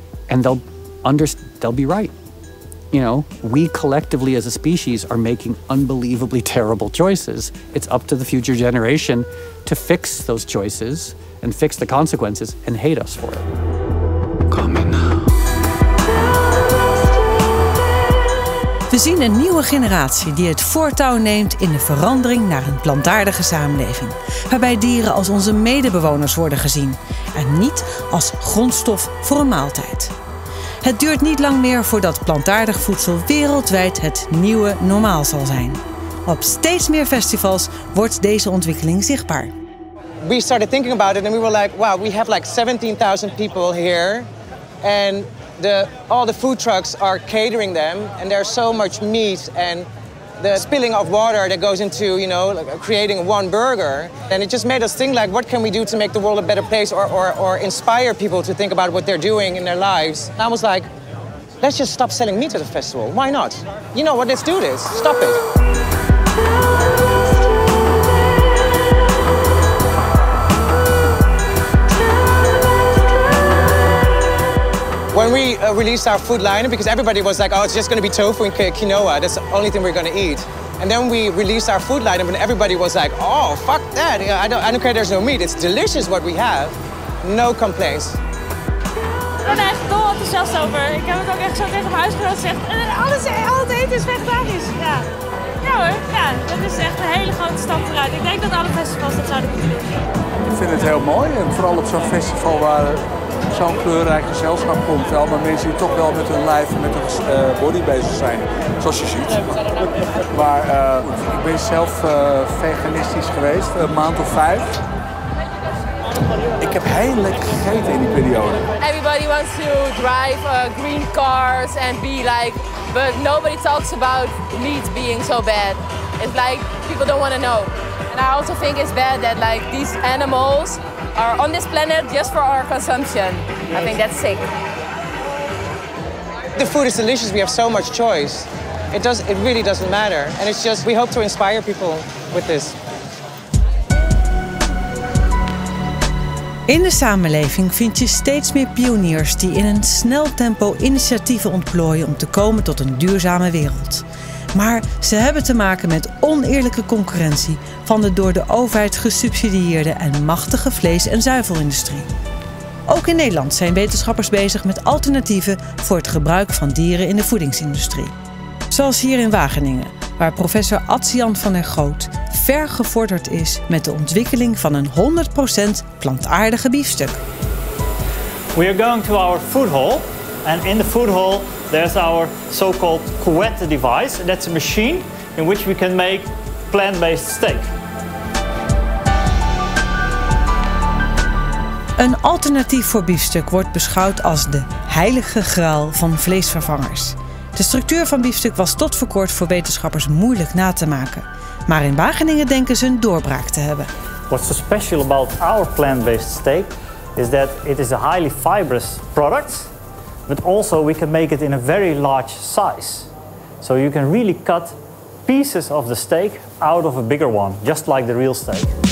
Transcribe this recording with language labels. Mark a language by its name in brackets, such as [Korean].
[English] And they'll be right. You know, we collectively as a species are making unbelievably terrible choices. It's up to the future generation to fix those choices and fix the consequences and hate us for it. Coming now. [Dutch] We zien een nieuwe generatie die het voortouw neemt in de verandering naar een plantaardige samenleving. Waarbij dieren als onze medebewoners worden gezien en niet als grondstof voor een maaltijd. Het duurt niet lang meer voordat plantaardig voedsel wereldwijd het nieuwe normaal zal zijn. Op steeds meer festivals wordt deze ontwikkeling zichtbaar. [English] We started thinking about it and we were like, wow, we have like 17,000 people here and all the food trucks are catering them and there's so much meat and the spilling of water that goes into, you know, like creating one burger. And it just made us think like, what can we do to make the world a better place or inspire people to think about what they're doing in their lives? And I was like, let's just stop selling meat at the festival. Why not? You know what, let's do this. Stop it. When we released our food line, because everybody was like, oh, it's just gonna be tofu and quinoa, that's the only thing we're gonna eat. And then we released our food line, and everybody was like, oh, fuck that, I don't care, there's no meat, it's delicious what we have. No complaints. [Dutch] Ik ben echt dol enthousiast over. Ik heb het ook echt zo tegen mijn huisgenoot gezegd. En al het eten is vegetarisch. Ja hoor, ja, dat is echt een hele grote stap vooruit. Ik denk dat alle festivals dat zouden moeten doen. Ik vind het heel mooi, en vooral op zo'n festival waar zo'n kleurrijk gezelschap komt. Allemaal mensen die toch wel met hun lijf en met hun body bezig zijn, zoals je ziet. Maar ik ben zelf veganistisch geweest, een maand of vijf. Ik heb heel lekker gegeten in die periode. [English] Everybody wants to drive green cars and be like, but nobody talks about meat being so bad. It's like, people don't want to know. And I also think it's bad that like these animals are on this planet just for our consumption. I think that's sick. The food is delicious, we have so much choice. It really doesn't matter. And it's just, we hope to inspire people with this. [Dutch] In de samenleving vind je steeds meer pioniers die in een snel tempo initiatieven ontplooien om te komen tot een duurzame wereld. Maar ze hebben te maken met oneerlijke concurrentie van de door de overheid gesubsidieerde en machtige vlees- en zuivelindustrie. Ook in Nederland zijn wetenschappers bezig met alternatieven voor het gebruik van dieren in de voedingsindustrie. Zoals hier in Wageningen, waar professor Adsian van der Goot ver gevorderd is met de ontwikkeling van een 100% plantaardige biefstuk. [English] We are going to our food hall and in the food hall there's our so-called Cuetta device. That's a machine in which we can make plant-based steak. [Dutch] Een alternatief voor biefstuk wordt beschouwd als de heilige graal van vleesvervangers. De structuur van biefstuk was tot voor kort voor wetenschappers moeilijk na te maken. Maar in Wageningen denken ze een doorbraak te hebben. [English] What's so special about our plant-based steak is that it is a highly fibrous product. But also we can make it in a very large size. So you can really cut pieces of the steak out of a bigger one, just like the real steak.